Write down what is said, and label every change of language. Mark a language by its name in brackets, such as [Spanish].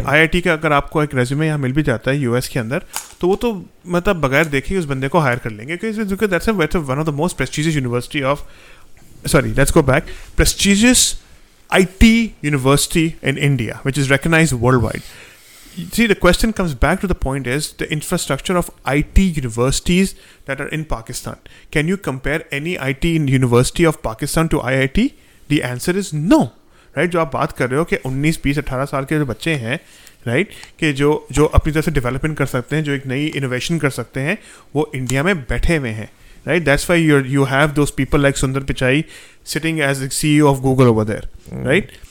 [Urdu] I I T کا اگر آپ کو ایک ریزیومے یہاں مل بھی جاتا ہے یو ایس کے اندر, تو وہ تو مطلب بغیر دیکھے ہی اس بندے کو ہائر کر لیں گے, کیونکہ [English] One of the most prestigious university of sorry let's go back prestigious IT university in India وچ is recognise worldwide. See, the question comes back to the point is the infrastructure of IT universities that are in Pakistan. Can you compare any IT university of Pakistan to IIT? The answer is no. Right? [Urdu] جو آپ بات کر رہے ہو کہ 19, 20, 18 سال کے جو بچے ہیں, رائٹ, کہ جو اپنی طرح سے ڈیولپمنٹ کر سکتے ہیں, جو ایک نئی انوویشن کر سکتے ہیں, وہ انڈیا میں بیٹھے ہوئے ہیں, right. [English] That's why you have those people like Sundar Pichai sitting as C E O of Google over there, right.